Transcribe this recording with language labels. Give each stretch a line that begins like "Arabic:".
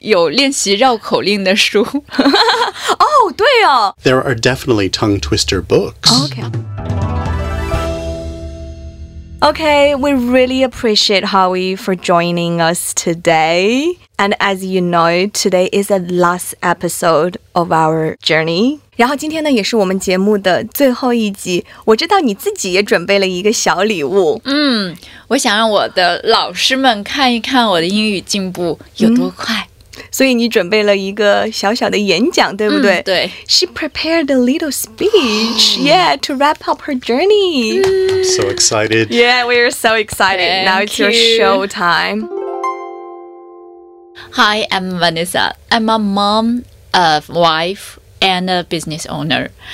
Chinese: 有练习绕口令的书。Oh, 对哦。
English: There are definitely tongue twister books. Okay, we really appreciate Howie for joining us today. And as you know, today is the last episode of our journey.
Chinese: 然后今天呢也是我们节目的最后一集。我知道你自己也准备了一个小礼物。我想让我的老师们看一看我的英语进步有多快。所以你准备了一个小小的演讲，对不对？对。
English: She prepared a little speech, yeah, to wrap up her journey. So excited. Yeah, we are so excited. Now it's your show time. Hi, I'm Vanessa. I'm a mom, a wife, and a business owner.